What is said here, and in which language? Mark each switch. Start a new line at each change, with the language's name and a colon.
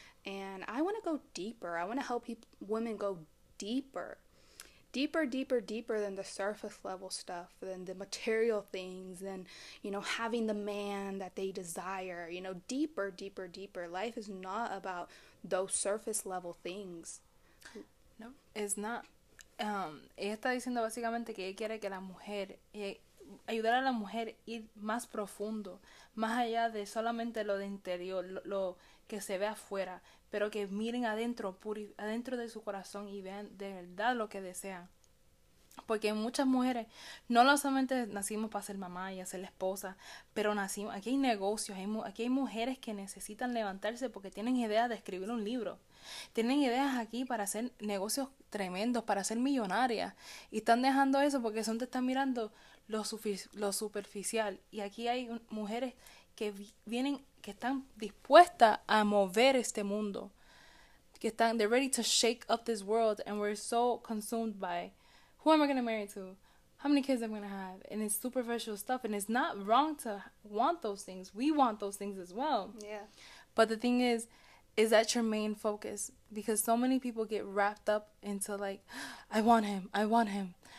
English: And I want to go deeper. I want to help women go deeper. Deeper than the surface level stuff, than the material things, than, you know, having the man that they desire, you know, deeper. Life is not about those surface level things. No, it's not.
Spanish: Ella está diciendo básicamente que ella quiere que la mujer, ayudar a la mujer ir más profundo, más allá de solamente lo de interior, lo que se ve afuera, pero que miren adentro, adentro de su corazón, y vean de verdad lo que desean. Porque muchas mujeres, no solamente nacimos para ser mamá y hacer la esposa, pero nacimos, aquí hay negocios, aquí hay mujeres que necesitan levantarse porque tienen ideas de escribir un libro. Tienen ideas aquí para hacer negocios tremendos, para ser millonarias. Y están dejando eso porque son, te están mirando lo superficial. Y aquí hay mujeres que vienen, que están dispuestas a mover este mundo. Que están,
English: they're ready to shake up this world, and we're so consumed by who am I going to marry to? How many kids am I going to have? And it's superficial stuff, and it's not wrong to want those things. We want those things as well. Yeah. But the thing is that your main focus? Because so many people get wrapped up into, like, I want him.